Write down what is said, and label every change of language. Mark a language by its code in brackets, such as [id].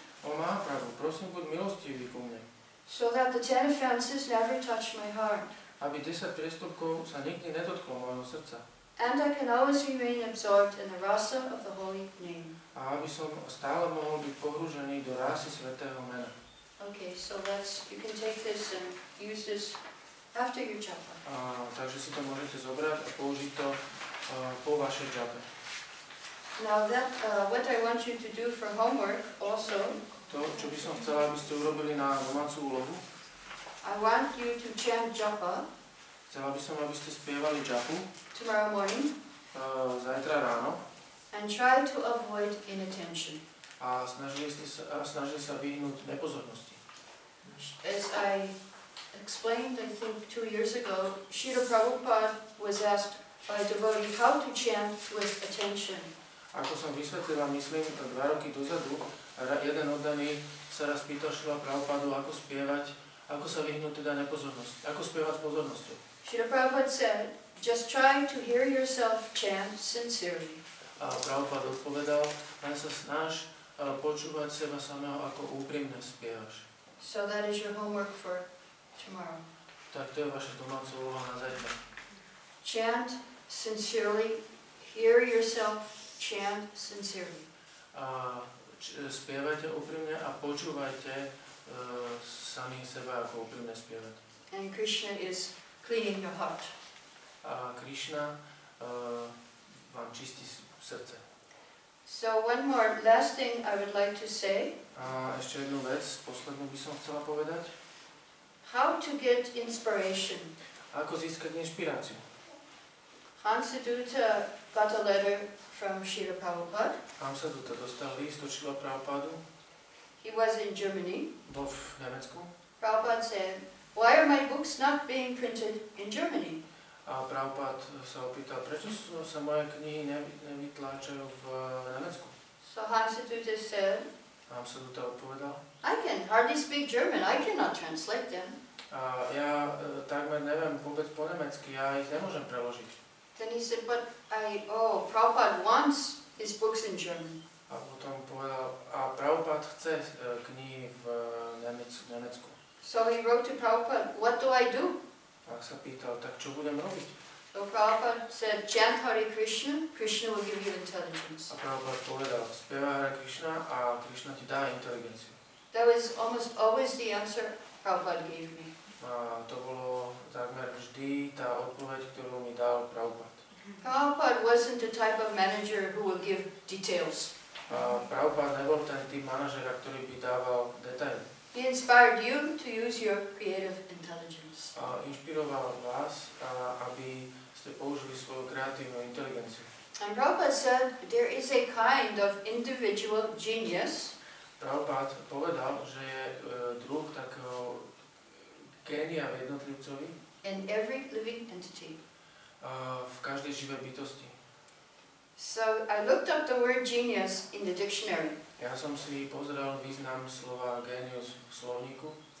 [sk] O Mahaprabhu, prosím, buď milostivý ku mne. [en] So that the ten offenses never touch my heart. [sk] Aby 10 priestupkov sa nikdy nedotklo môjho srdca. [en] And I can always remain absorbed in the rasa of the holy name. [sk] A aby som stále mohol byť pohrúžený do rasy svätého mena. [en] Okay, so let's, you can take this and use this after your japa. [sk] Takže si to môžete zobrať a použiť to po vašej japa. [en] Now that what I want you to do for homework also. [sk] To, čo by som chcela, aby ste urobili na domácu úlohu. [en] I want you to chant japa. [sk] Chcela by som, aby ste spievali japu. [en] Tomorrow morning. [sk] Zajtra ráno. [en] And try to avoid inattention. [sk] A snažili sa vyhnúť nepozornosti. [en] As I explained, I think 2 years ago, Srila Prabhupada was asked by a devotee how to chant with attention. [sk] Ako som vysvetlila, myslím, 2 roky dozadu, jeden oddaný sa raz pýtal Srila Prabhupada, ako spievať. Ako sa vyhnúť teda nepozornosti? Ako spievať s pozornosťou? [en] Srila Prabhupada said, just try to hear yourself chant sincerely. [sk] A Prabhupada odpovedal, len sa snaž počúvať seba samého, ako úprimne spievaš. [en] So that is your homework for tomorrow. [sk] Tak to je vaša domáca úloha na zajtra. [en] Chant sincerely, hear yourself chant sincerely. [sk] Spievajte úprimne a počúvajte samých seba ako úprimne spievať. [en] And Krishna is cleaning your heart. [sk] A Krishna vám čistí srdce. [en] So one more last thing I would like to say. [sk] A ešte jednu vec, poslednú by som chcela povedať. [en] How to get inspiration. [sk] Ako získať inšpiráciu. [en] Hansaduta got a letter from Srila Prabhupada. [sk] Hansaduta dostal list od Srila Prabhupada. [en] He was in Germany. [sk] Bol v Nemecku. [en] Prabhupada said, why are my books not being printed in Germany? [sk] A Prabhupada sa opýtal, prečo sa moje knihy nevytláčajú v Nemecku? [en] So Hansaduta said, [sk] Hansaduta odpovedal, [en] I can hardly speak German, I cannot translate them. [sk] A ja takmer neviem vôbec po nemecky, ja ich nemôžem preložiť. [en] Then he said, but I, oh, Prabhupada wants his books in German. [sk] A potom povedal, a Prabhupada chce knihy v Nemecku. [en] So he wrote to Prabhupada, what do I do? [sk] Tak sa pýtal, tak čo budem robiť? [en] So Prabhupada said, chant Hare Krishna, Krishna will give you intelligence. [sk] A Prabhupada povedal, spieva Hare Krishna a Krishna ti dá inteligenciu. [en] That was almost always the answer Prabhupada gave me. [sk] A to bolo takmer vždy tá odpoveď, ktorú mi dal Prabhupada. [en] Prabhupada wasn't the type of manager who will give details. [sk] Prabhupada nebol ten tým manažera, ktorý by dával detaily. [en] He inspired you to use your creative intelligence. [sk] Inšpiroval vás, aby ste použili svoju kreatívnu inteligenciu. [en] And Prabhupada said, there is a kind of individual genius. [sk] Prabhupada povedal, že je druh takého génia v jednotlivcovi. [en] In every living entity. [sk] V každej živej bytosti. [en] So I looked up the word genius in the dictionary. [sk] Ja som si pozeral význam slova genius v slovníku.